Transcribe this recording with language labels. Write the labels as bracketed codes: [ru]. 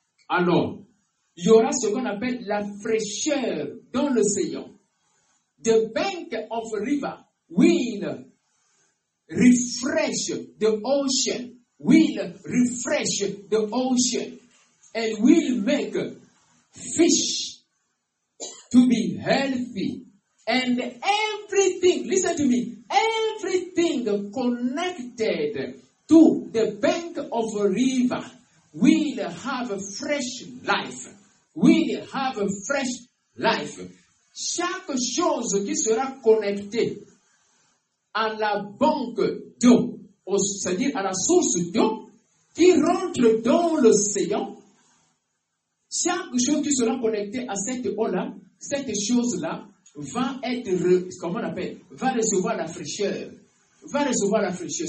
[fr] Alors, il y aura ce qu'on appelle la fraîcheur dans l'océan. [en] The bank of river will refresh the ocean. Will refresh the ocean and will make fish to be healthy. And everything, listen to me, everything connected to the bank of a river will have a fresh life. Will have a fresh life. [fr] Chaque chose qui sera connectée à la banque d'eau, c'est-à-dire à la source d'eau qui rentre dans l'océan, chaque chose qui sera connectée à cette eau-là, cette chose-là va être, comment on appelle, va recevoir la fraîcheur. Va recevoir la fraîcheur.